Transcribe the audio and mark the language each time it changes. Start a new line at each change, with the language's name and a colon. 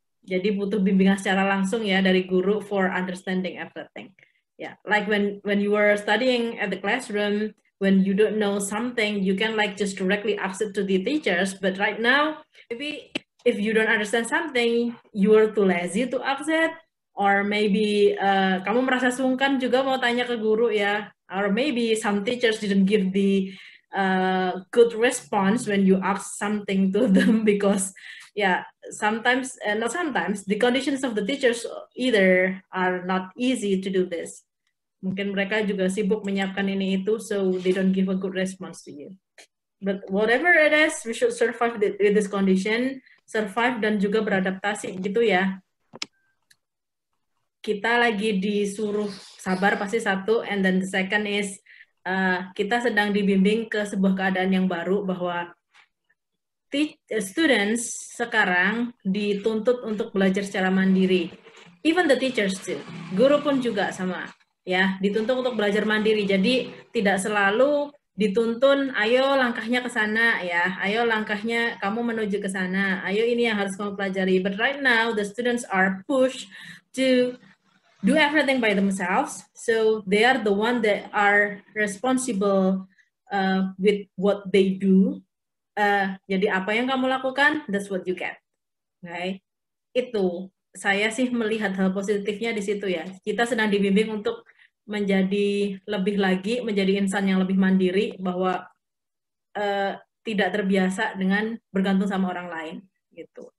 Indonesian: Jadi butuh bimbingan secara langsung ya dari guru for understanding everything.
English: Yeah, like when you were studying at the classroom, when you don't know something, you can like just directly ask it to the teachers. But right now, maybe if you don't understand something, you are too lazy to ask it.
Indonesian: Or maybe kamu merasa sungkan juga mau tanya ke guru ya.
English: Or maybe some teachers didn't give the good response when you ask something to them, because the conditions of the teachers either are not easy to do this.
Indonesian: mungkin mereka juga sibuk menyiapkan ini itu, so they don't give a good response to you.
English: But whatever it is, we should survive with this condition, survive dan juga beradaptasi gitu ya.
Indonesian: Kita lagi disuruh sabar pasti satu, and then the second is kita sedang dibimbing ke sebuah keadaan yang baru bahwa students sekarang dituntut untuk belajar secara mandiri. Even the teachers too. Guru pun juga sama. Ya, dituntut untuk belajar mandiri. Jadi tidak selalu dituntun, ayo langkahnya ke sana ya. Ayo langkahnya kamu menuju ke sana. Ayo ini yang harus kamu pelajari.
English: But right now the students are pushed to do everything by themselves. So they are the one that are responsible with what they do.
Indonesian: Jadi apa yang kamu lakukan, that's what you get. Okay? Itu saya sih melihat hal positifnya di situ ya. Kita sedang dibimbing untuk menjadi lebih lagi, menjadi insan yang lebih mandiri, bahwa tidak terbiasa dengan bergantung sama orang lain gitu.